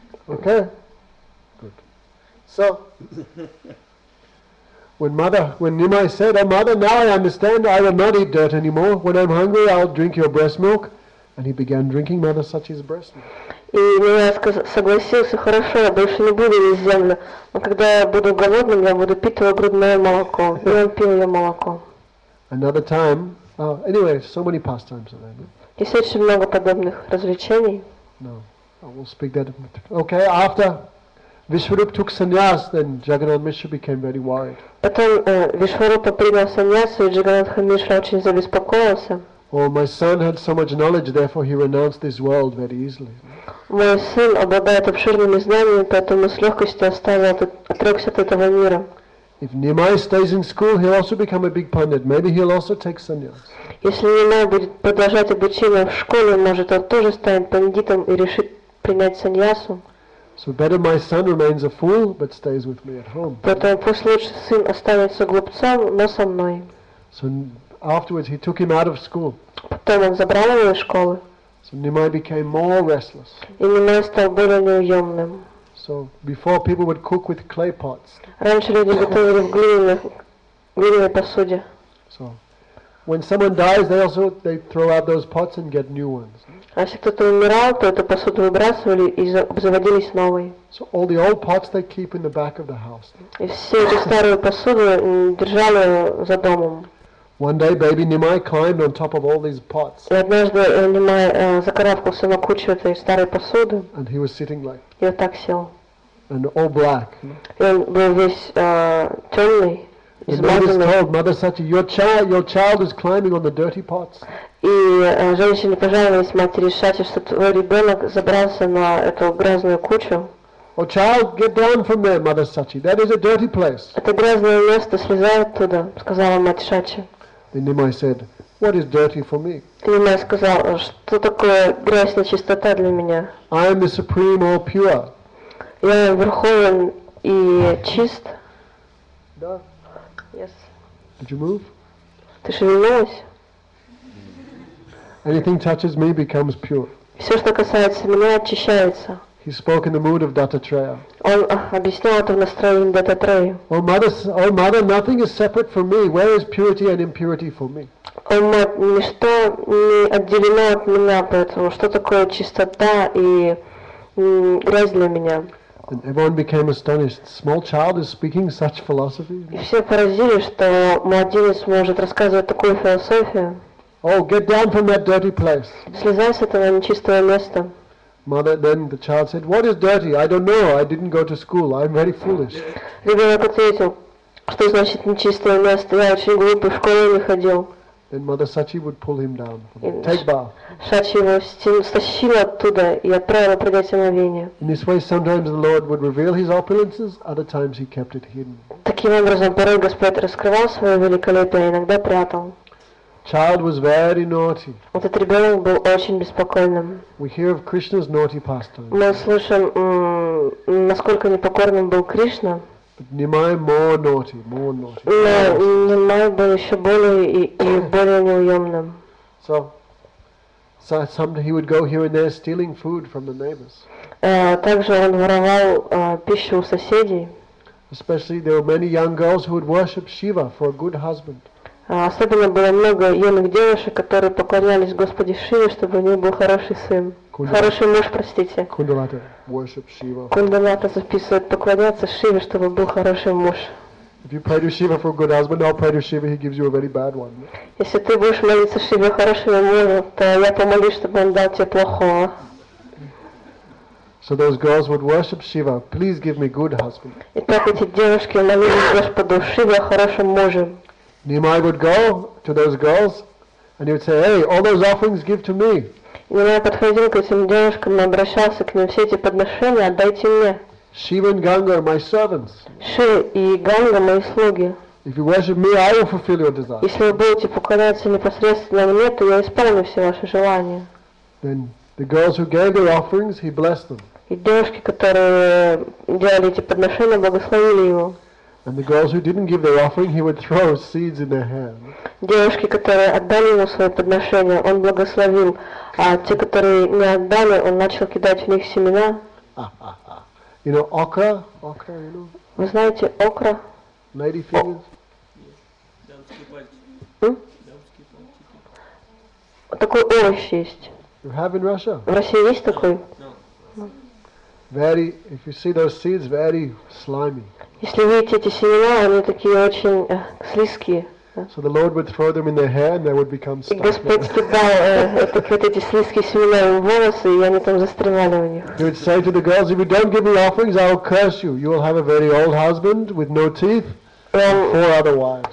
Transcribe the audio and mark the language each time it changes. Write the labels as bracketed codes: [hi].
[en] Okay. Good. So, when Nimai said, "Oh, mother, now I understand. I will not eat dirt anymore. When I'm hungry, I'll drink your breast milk," and he began drinking Mother Sachi's breast milk. [ru] И Нимай согласился, хорошо, я больше не буду есть землю, но когда я буду голодным, я буду пить твое грудное молоко. И он пил ее молоко. [en] Another time. Oh, anyway, so many pastimes are there. [ru] Есть очень много подобных развлечений. [en] No, I will speak that. Okay, after Vishwarup took sannyas, then Jagannath Mishra became very worried. [ru] Потом Вишварупа принял сannyas, и Джаганнатха Мишра очень забеспокоился. [en] Oh, my son had so much knowledge, therefore he renounced this world very easily. [ru] Мой сын обладает обширными знаниями, поэтому с легкостью отрекся от этого мира. [en] If Nimai stays in school, he'll also become a big pundit. Maybe he'll also take sannyas. [ru] Если Нимай будет продолжать обучение в школе, может, он тоже станет пандитом и решит принять сannyasу. [en] So better my son remains a fool, but stays with me at home. [ru] Поэтому пусть лучше сын останется глупцом, но со мной. [en] So afterwards, he took him out of school. [ru] Потом он забрал его из школы. [en] So Nimai became more restless. [ru] И Нимай стал более неуемным. [en] So before people would cook with clay pots. [ru] Раньше люди готовили в глиняной посуде. [en] So When someone dies, they also they throw out those pots and get new ones. [ru] А если кто-то умирал, то эту посуду выбрасывали и заводились новые. [en] So all the old pots they keep in the back of the house. [ru] И все эту старую посуду держали за домом. [en] One day, baby Nimai climbed on top of all these pots. [ru] И однажды Нимай закарабкался на кучу этой старой посуды. [en] And he was sitting like. [ru] И вот так сел. [en] And all black. [ru] И он был весь темный. [en] The mother is told, Mother Sati, your child is climbing on the dirty pots. [ru] И женщине пожаловались матери Сати, что твой ребенок забрался на эту грязную кучу. [en] Oh, child, get down from there, Mother Sati. That is a dirty place. [ru] Это грязное место, слезай оттуда, сказала мать Сати. [en] Then Nimai said, What is dirty for me? [ru] Нимай сказал, что такое грязь и чистота для меня? [en] I am the supreme, all pure. [ru] Я верховен и чист. Да. [en] Yes. Did you move? [ru] Ты шевелилась? [en] Anything touches me becomes pure. [ru] Все, что касается меня, очищается. [en] He spoke in the mood of Dattatreya. [ru] Он объяснял это в настроении Дататрея. [en] Oh mother, nothing is separate from me. Where is purity and impurity for me? [ru] О мать, ничто не отделено от меня, поэтому что такое чистота и грязь для меня? [en] And everyone became astonished. Small child is speaking such philosophy. [ru] И все поразили, что младенец может рассказывать такую философию. [en] Oh, get down from that dirty place. [ru] Слезай с этого нечистого места. [en] Mother, then the child said, "What is dirty? I don't know. I didn't go to school. I'm very foolish." [ru] Ребенок ответил, что значит нечистое место? Я очень глупый, в школу не ходил. [en] Then Mother Sati would pull him down. Take bath. [ru] Сати его стащила оттуда и отправила принять омовение. [en] In this way, sometimes the Lord would reveal his opulences, other times he kept it hidden. [ru] Таким образом, порой Господь раскрывал свое великолепие, иногда прятал. [en] Child was very naughty. [ru] Вот этот ребенок был очень беспокойным. [en] We hear of Krishna's naughty pastime. [ru] Мы слышим, насколько непокорным был Кришна. [en] Nimai more naughty. [ru] Nimai был еще более и более неуемным. [en] So sometimes he would go here and there stealing food from the neighbors. [ru] Также он воровал пищу у соседей. [en] Especially there were many young girls who would worship Shiva for a good husband. [ru] Особенно было много юных девушек, которые поклонялись Господу Шиве, чтобы у них был хороший сын. Хороший муж, простите. [en] Кундалата, worship Shiva. [ru] Кундалата записывает поклоняться Шиве, чтобы был хороший муж. [en] If you pray to Shiva for a good husband, I'll pray to Shiva, he gives you a very bad one. [ru] Если ты будешь молиться Шиве хорошему мужу, то я помолюсь, чтобы он дал тебе плохого. [en] So those girls would worship Shiva. Please give me good husband. [ru] Итак, эти девушки молились Господу Шиве хорошим мужем. [en] Nimai would go to those girls, and he would say, "Hey, all those offerings give to me." [ru] Nimai подходил к этим девушкам, обращался к ним, все эти подношения отдайте мне. [en] Shiva and Ganga are my servants. [ru] Шива и Ганга мои слуги. [en] If you worship me, I will fulfill your desires. [ru] Если вы будете поклоняться непосредственно мне, то я исполню все ваши желания. [en] Then the girls who gave their offerings, he blessed them. [ru] И девушки, которые делали эти подношения, благословили его. [en] And the girls who didn't give their offering, he would throw seeds in their hands. [ru] Девушки, которые отдали ему свое подношение, он благословил. А те, которые не отдали, он начал кидать в них семена. [en] You know, okra? Okra, you know? [ru] Вы знаете, окра? [en] Lady fingers? [ru] Такой овощ есть. [en] You have in Russia? [ru] В России есть такой? [en] Very, if you see those seeds, very slimy. [ru] Если видите эти семена, они такие очень слизкие. [en] So the Lord would throw them in their hair, and they would become stuck. [ru] И Господь кидал эти слизкие семена в волосы, и они там застревали у них. [en] He would say to the girls, "If you don't give me offerings, I'll curse you. You will have a very old husband with no teeth, four other wives."